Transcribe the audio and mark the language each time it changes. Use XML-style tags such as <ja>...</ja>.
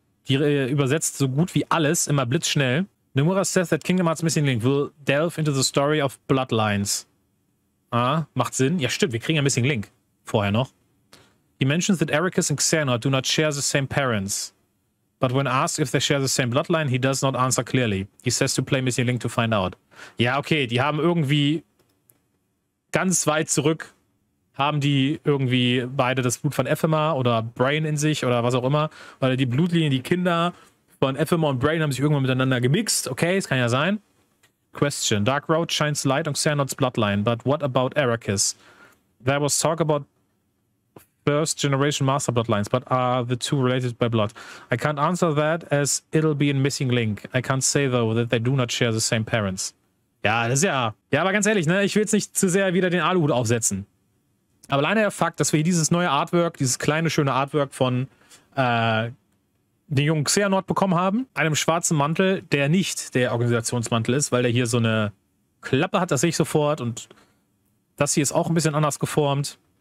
<de>Die übersetzt so gut wie alles, immer blitzschnell.</de> <en>Numura says that Kingdom Hearts Missing Link will delve into the story of Bloodlines.</en> <de>Ah, macht Sinn. Ja, stimmt, wir kriegen ja Missing Link. Vorher noch.</de> <en>He mentions that Ericus and Xehanort do not share the same parents. But when asked if they share the same bloodline, he does not answer clearly. He says to play Missing Link to find out.</en> <de>Ja, okay, die haben irgendwie ganz weit zurück, haben die irgendwie beide das Blut von Ephemer oder Brain in sich oder was auch immer. Weil die Blutlinie, die Kinder von Ephemer und Brain haben sich irgendwann miteinander gemixt. Okay, es kann ja sein. Question.</de> <en>Dark Road shines light on Xehanort's bloodline, but what about Arrakis? There was talk about first generation master bloodlines, but are the two related by blood? I can't answer that as it'll be a missing link. I can't say though that they do not share the same parents.</en> <de>Ja, das ist ja. Ja, aber ganz ehrlich, ne, ich will jetzt nicht zu sehr wieder den Aluhut aufsetzen. Aber leider der Fakt, dass wir hier dieses neue Artwork, dieses kleine schöne Artwork von den jungen Xehanort bekommen haben, einem schwarzen Mantel, der nicht der Organisationsmantel ist, weil der hier so eine Klappe hat, das sehe ich sofort, und das hier ist auch ein bisschen anders geformt.</de>